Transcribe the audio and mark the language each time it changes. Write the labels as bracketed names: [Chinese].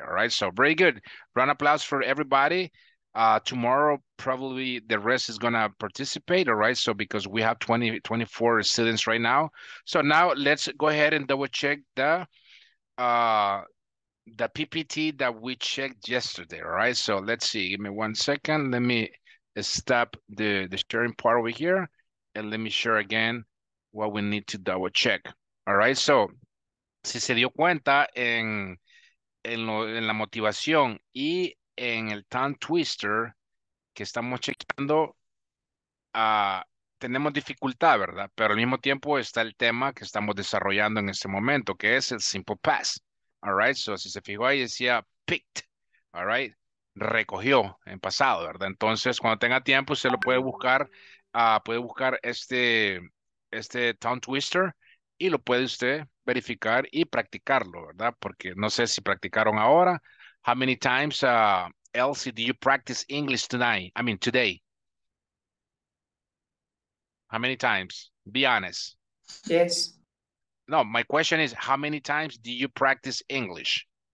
[English] All right, so very good. Round of applause for everybody. Tomorrow probably the rest is gonna participate, all right? So because we have 24 students right now, so now let's go ahead and double check the PPT that we checked yesterday. All right, so let's see, give me 1 second, let me stop the sharing part over here and let me share again what we need to double check. [Spanish] All right, so si se dio cuenta en la motivación y en el tongue twister que estamos chequeando, tenemos dificultad, ¿verdad? Pero al mismo tiempo está el tema que estamos desarrollando en este momento, que es el simple past. All right, so si se fijó ahí decía picked, all right, recogió en pasado, ¿verdad? Entonces cuando tenga tiempo se lo puede buscar puede buscar este tongue twister y lo puede usted verificar y practicarlo, ¿verdad? Porque no sé si practicaron ahora. [English] How many times, Elsie, do you practice English tonight? I mean, today. How many times? Be honest. Yes. No, my question is, how many times do you practice English?